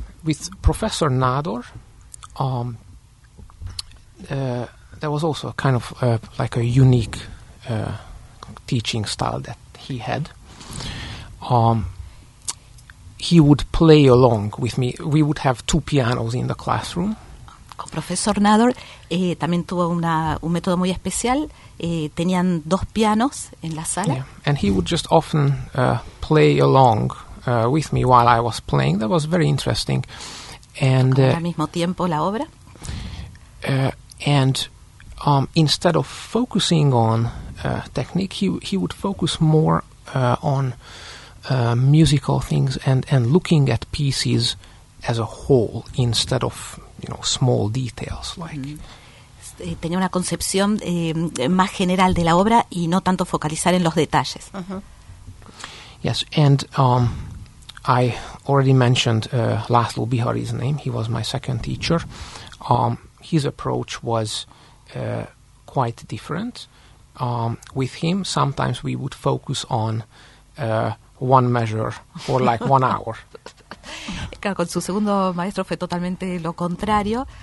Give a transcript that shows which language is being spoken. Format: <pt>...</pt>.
<en>With Professor Nádor, there was also a kind of like a unique teaching style that he had. He would play along with me. We would have two pianos in the classroom.</en> <es>Con Profesor Nádor también tuvo un método muy especial. Tenían dos pianos en la sala. Yeah.</es> <en>And he would just often play along with me while I was playing. That was very interesting. And</en> <es>al mismo tiempo la obra.</es> <en>And instead of focusing on technique, he would focus more on musical things and looking at pieces as a whole instead of, you know, small details like. Mm-hmm.</en> <es>Tenía una concepción más general de la obra y no tanto focalizar en los detalles. Uh-huh.</es> <en>Yes, and I already mentioned László Bihari's name. He was my second teacher. His approach was quite different. With him, sometimes we would focus on one measure for like 1 hour.</en> <es>Claro, con su segundo maestro fue totalmente lo contrario.</es>